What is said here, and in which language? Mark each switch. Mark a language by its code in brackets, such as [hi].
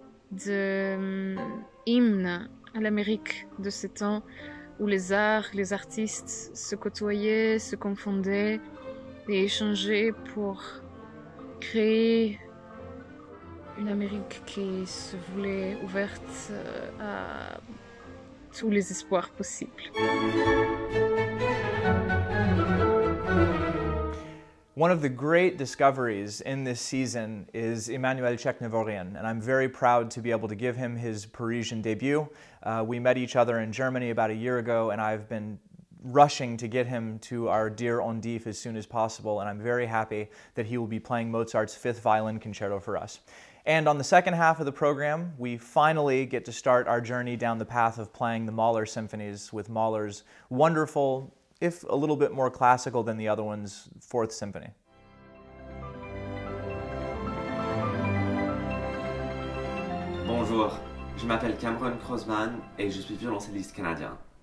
[fr] de hymne à l'Amérique de ces temps où les arts, les artistes se côtoyaient, se confondaient et échangeaient pour créer une Amérique qui se voulait ouverte à tous les espoirs possibles. [en] One of the great discoveries in this season is Emmanuel Chekhnevorian, and I'm very proud to be able to give him his Parisian debut. We met each other in Germany about a year ago, and I've been rushing to get him to our dear Ondif as soon as possible, and I'm very happy that he will be playing Mozart's fifth violin concerto for us. And on the second half of the program, we finally get to start our journey down the path of playing the Mahler symphonies with Mahler's wonderful, if a little bit more classical than the other ones, Fourth Symphony. [fr] Bonjour, je m'appelle Cameron Crossman et je suis violoncelliste canadien.